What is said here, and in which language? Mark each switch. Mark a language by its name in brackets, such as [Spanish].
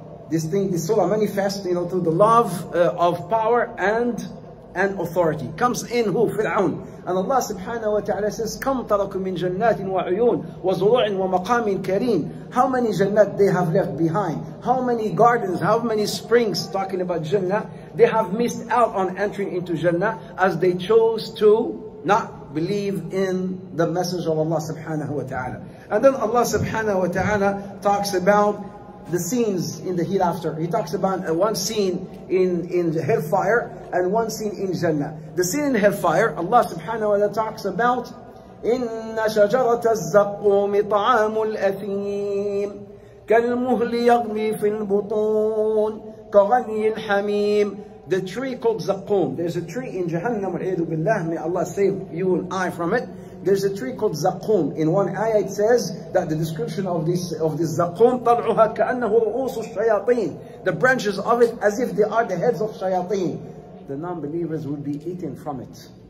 [English] This thing, this surah manifests, you know, through the love of power and authority. Comes in who? Fir'aun. And Allah subhanahu wa ta'ala says, [Arabic] كم تركوا من جنات وعيون وزروع ومقام كريم. [English] How many jannat they have left behind? How many gardens, how many springs, talking about jannah, they have missed out on entering into jannah as they chose to not believe in the message of Allah subhanahu wa ta'ala. And then Allah subhanahu wa ta'ala talks about the scenes in the hereafter. He talks about one scene in the hellfire and one scene in Jannah. The scene in hellfire, Allah subhanahu wa ta'ala talks about [Arabic] إِنَّ شَجَرَةَ الزَّقُّومِ طَعَامُ الْأَثِيمِ كَالْمُهْلِ يَغْلِي فِي الْبُطُونِ كَغَلِّي الْحَمِيمِ. [English] The tree called Zaqqum. There's a tree in Jahannam, [Arabic] وَعِيدُ بِاللَّهِ, [English] may Allah save you and I from it. There's a tree called Zaqqum. In one ayah it says that the description of this Zaqqum, [Arabic] طَلْعُهَا كَأَنَّهُ رُؤُوسُ الشَّيَاطِينَ. [English] The branches of it as if they are the heads of shayateen. The non-believers will be eating from it.